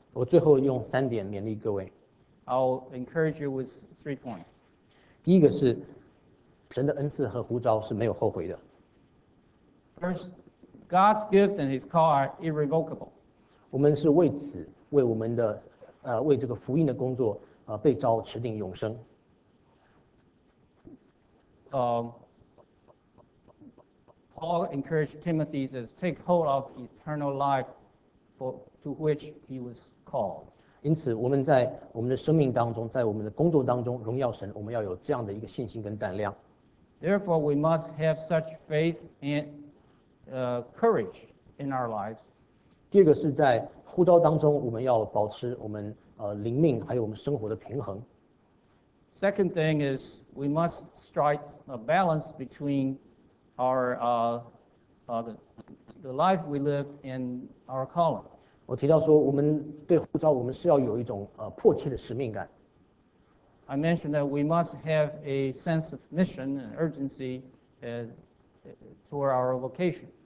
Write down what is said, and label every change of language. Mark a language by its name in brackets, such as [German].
[Chinese] 我最后用三点勉励各位。 [English] I'll encourage you with three points. [Chinese] 第一个是，神的恩赐和呼召是没有后悔的。 [English] First, God's gift and His call are irrevocable. [Chinese] 我们是为此，为我们的，为这个福音的工作，被召持定永生。 [English] Paul encouraged Timothy to take hold of eternal life to which he was called. [Chinese] 因此，我们在我们的生命当中，在我们的工作当中，荣耀神，我们要有这样的一个信心跟胆量。 [English] Therefore, we must have such faith and courage in our lives. [Chinese] 第二个是在呼召当中，我们要保持我们灵命还有我们生活的平衡。 [English] Second thing is we must strike a balance between our the life we live and our calling. [Chinese] 我提到说，我们对呼召，我们是要有一种迫切的使命感。 [English] I mentioned that we must have a sense of mission and urgency toward our vocation.